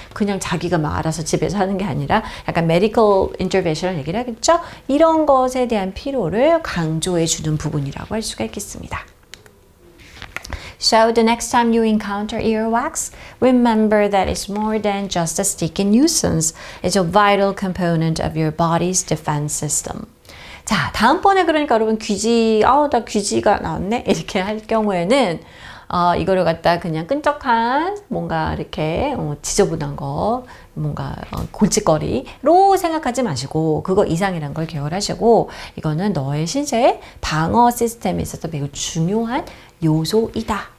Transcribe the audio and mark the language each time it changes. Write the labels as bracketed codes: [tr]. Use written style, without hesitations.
[ko] 그냥 자기가 막 알아서 집에서 하는 게 아니라 약간 [en] medical intervention [ko] 을 얘기를 하겠죠? 이런 것에 대한 필요를 강조해 주는 부분이라고 할 수가 있겠습니다. [en] So, the next time you encounter earwax, remember that it's more than just a sticky nuisance. It's a vital component of your body's defense system. [ko] 자, 다음번에 그러니까 여러분 귀지, 아우, 나 귀지가 나왔네? 이렇게 할 경우에는, 이거를 갖다 그냥 끈적한, 뭔가 이렇게, 지저분한 거, 뭔가, 골칫거리로 생각하지 마시고, 그거 이상이란 걸 기억하시고, 이거는 너의 신체의 방어 시스템에 있어서 매우 중요한 요소이다.